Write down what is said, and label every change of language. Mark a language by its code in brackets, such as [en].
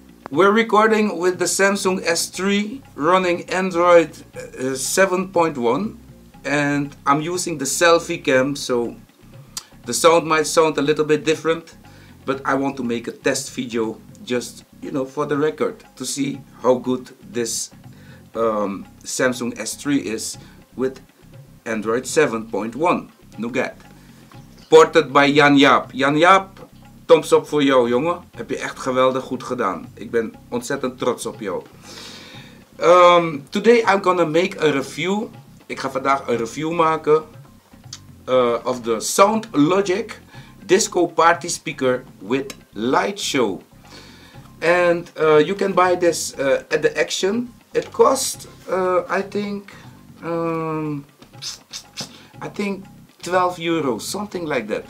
[en] We're recording with the Samsung S3 running Android 7.1, and I'm using the selfie cam, so the sound might sound a little bit different, but I want to make a test video just, you know, for the record to see how good this Samsung S3 is with Android 7.1 Nougat. Ported by Jan-Jaap. [nl] Jan-Jaap, thumbs up voor jou, jongen. Heb je echt geweldig goed gedaan. Ik ben ontzettend trots op jou. [en] Today I'm gonna make a review. [nl] Ik ga vandaag een review maken. [en] Of the SoundLogic Disco Party Speaker with Light Show. And you can buy this at the Action. It cost, I think 12 euros, something like that.